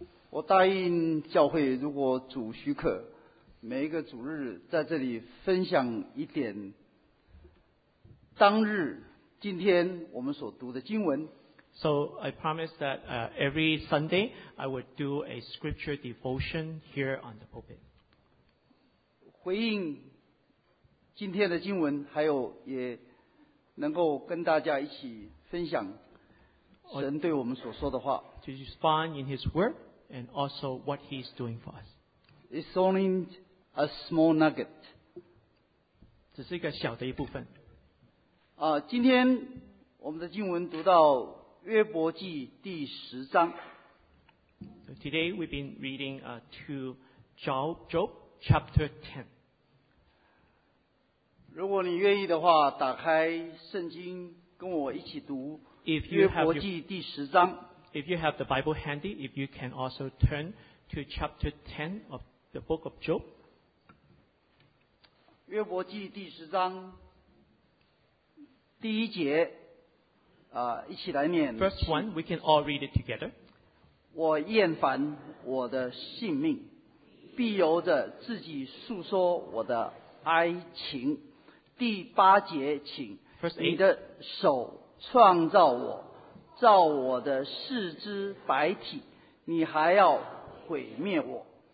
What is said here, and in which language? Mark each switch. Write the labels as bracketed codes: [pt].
[zh] 我答应教会，如果主许可，每一个主日在这里分享一点当日今天我们所读的经文。 [en] So I promise that every Sunday I would do a scripture devotion here on the pulpit. [zh] 回应今天的经文，还有也能够跟大家一起分享神对我们所说的话。 [en] To respond in His word and also what He is doing for us. It's only a small nugget. [zh] 只是一个小的一部分。今天我们的经文读到约伯记第十章。 [en] So、today we've been reading to Job chapter 10. [zh] 如果你愿意的话，打开圣经跟我一起读约伯记第十章。 [en] If you have the Bible handy, if you can also turn to chapter 10 of the book of Job. [zh] 约伯记第十章第一节。一起来念。 [en] First one, we can all read it together. [zh] 我厌烦我的性命，必由着自己诉说我的哀情。第八节，请你的手创造我，造我的四肢白体，你还要毁灭我。